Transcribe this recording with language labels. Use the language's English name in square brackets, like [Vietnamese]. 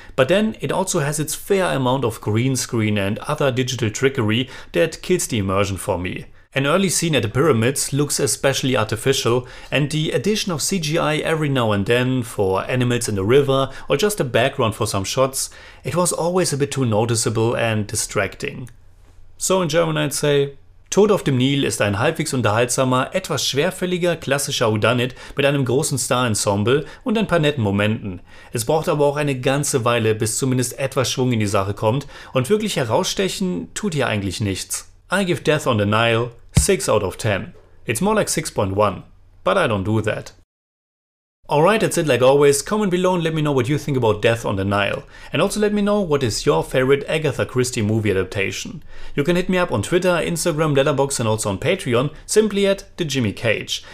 [English] But then it also has its fair amount of green screen and other digital trickery that kills the immersion for me. An early scene at the pyramids looks especially artificial, and the addition of CGI every now and then for animals in the river or just a background for some shots, it was always a bit too noticeable and distracting. So in German I'd say, [German] Tod auf dem Nil ist ein halbwegs unterhaltsamer, etwas schwerfälliger, klassischer Whodunit mit einem großen Star-Ensemble und ein paar netten Momenten. Es braucht aber auch eine ganze Weile, bis zumindest etwas Schwung in die Sache kommt und wirklich herausstechen tut hier eigentlich nichts. [English] I give Death on the Nile 6 out of 10. It's more like 6.1, but I don't do that. Alright, that's it. Like always, comment below and let me know what you think about Death on the Nile. And also let me know what is your favorite Agatha Christie movie adaptation. You can hit me up on Twitter, Instagram, Letterboxd and also on Patreon, simply at The Jimmy Cage.